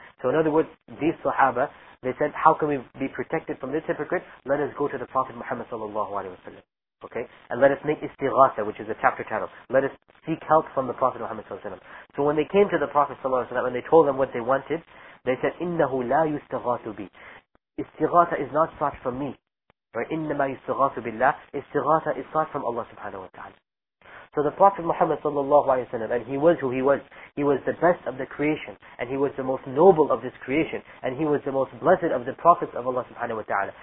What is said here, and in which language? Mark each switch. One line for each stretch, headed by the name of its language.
English: So in other words, these Sahaba, they said, how can we be protected from this hypocrite? Let us go to the Prophet Muhammad sallallahu alayhi wa sallam. Okay, and let us make istighatha, which is a chapter title. Let us seek help from the Prophet Muhammad sallallahu alaihi wasallam. So when they came to the Prophet sallallahu alaihi wasallam and they told them what they wanted,
Arabic: They said, إِنَّهُ لَا يُسْتَغَاثُ بِي.
English: Istighatha is not sought from me.
Arabic: إِنَّمَا يُسْتَغَاثُ بِاللَّهِ.
English: Istighatha is sought from Allah subhanahu wa ta'ala. So the Prophet Muhammad sallallahu alayhi wa sallam, and he was who he was. He was the best of the creation, and he was the most noble of this creation, and he was the most blessed of the prophets of Allah subhanahu wa ta'ala.